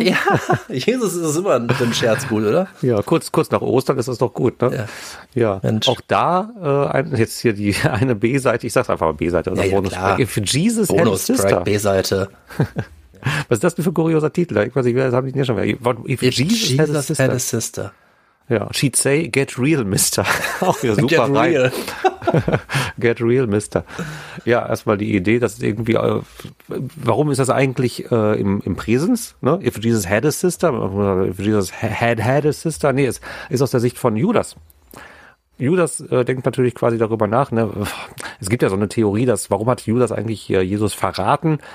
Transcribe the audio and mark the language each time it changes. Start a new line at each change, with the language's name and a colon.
German: Ja, Jesus ist immer ein Scherz gut, oder? Ja, kurz nach Ostern ist das doch gut, ne? Ja. Mensch. Auch da, jetzt hier die eine B-Seite, ich sag's einfach mal B-Seite oder Bonus-Track. Ja, für Jesus and Sister. B-Seite. Was ist das denn für ein kurioser Titel? Ich weiß nicht, wer haben die denn schon mehr?
English: If Jesus had a sister. Ja, she'd say, get real, mister.
German: Auch wieder super rein.
English: Get real. Get real, mister.
German: Ja, erstmal die Idee, dass irgendwie, warum ist das eigentlich im Präsens? Ne?
English: If Jesus had a sister, if Jesus had a sister,
German: nee, es ist aus der Sicht von Judas. Judas denkt natürlich quasi darüber nach, ne? Es gibt ja so eine Theorie, dass warum hat Judas eigentlich Jesus verraten?